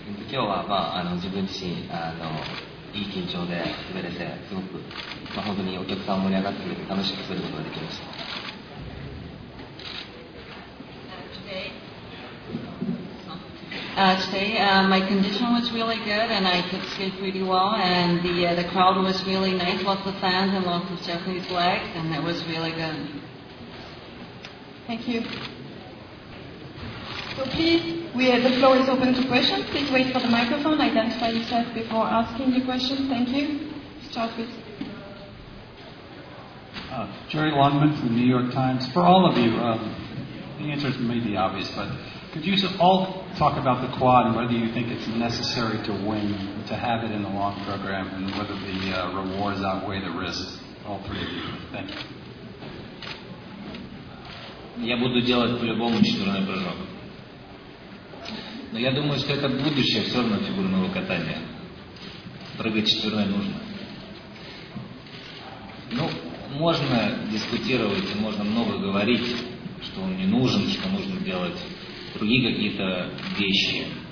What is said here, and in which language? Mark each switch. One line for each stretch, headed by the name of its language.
Japanese: 今日は、まあ、自分自身いい緊張で滑れて、すごく、まあ、本当にお客さん盛り上がってくれて楽しく滑ることができました。
English: Today, my condition was really good and I could skate pretty well, and the crowd was really nice, lots of fans and lots of Japanese legs, and it was really good. Thank you. So please, the floor is open to questions. Please wait for the microphone. Identify yourself before asking the question. Thank you. Start with Jerry Longman from the New York Times. For all of you, the answer may be obvious, but could you all talk about the quad and whether you think it's necessary to win, to have it in the long program, and whether the rewards outweigh the risks? All three of you. Thank you.
Russian: Я буду делать по-любому четверной прыжок. Но я думаю, что это будущее все равно фигурного катания. Прыгать четверной нужно. Ну, можно дискутировать и можно много говорить, что он не нужен, что нужно делать другие какие-то вещи.